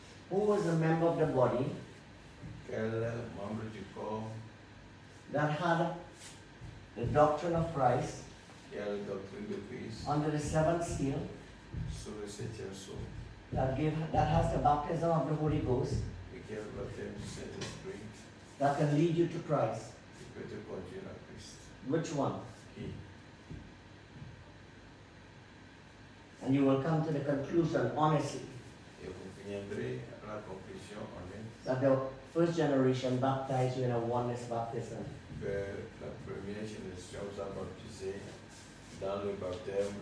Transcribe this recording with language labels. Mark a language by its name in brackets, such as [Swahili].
[English] Who was a member of the body? [French] Quel membre du corps? [English] That had the doctrine of Christ. [French] Quelle doctrine de Christ? [English] Under the seventh seal. [French] Sous le septième sceau. [English] That has the baptism of the Holy Ghost. [French] Et qui a le baptême du Saint-Esprit. [English] That can lead you to Christ. [French] Christ. [English] Which one? He. And you will come to the conclusion honestly [French] et vous viendrez à la conclusion, [English] that the first generation baptized you in a oneness baptism. [French] La première génération vous a baptisé dans le baptême.